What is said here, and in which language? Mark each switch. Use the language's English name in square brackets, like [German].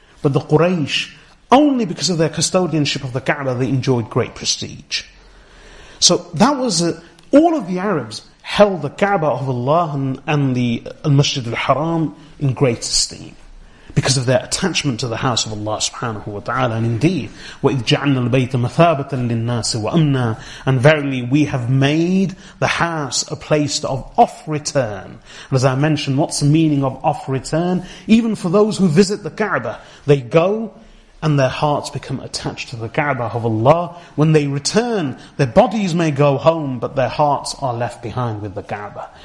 [English] But the Quraysh, only because of their custodianship of the Ka'bah, they enjoyed great prestige. So that was all of the Arabs held the Ka'bah of Allah and the Masjid al-Haram in great esteem. Because of their attachment to the house of Allah subhanahu wa ta'ala. And indeed, [Arabic] وَإِذْ جَعَلْنَا الْبَيْتَ مَثَابَةً لِلنَّاسِ وَأَمْنًا. [English] And verily, we have made the house a place of off-return. And as I mentioned, what's the meaning of off-return? Even for those who visit the Ka'bah, they go and their hearts become attached to the Ka'bah of Allah. When they return, their bodies may go home, but their hearts are left behind with the Ka'bah.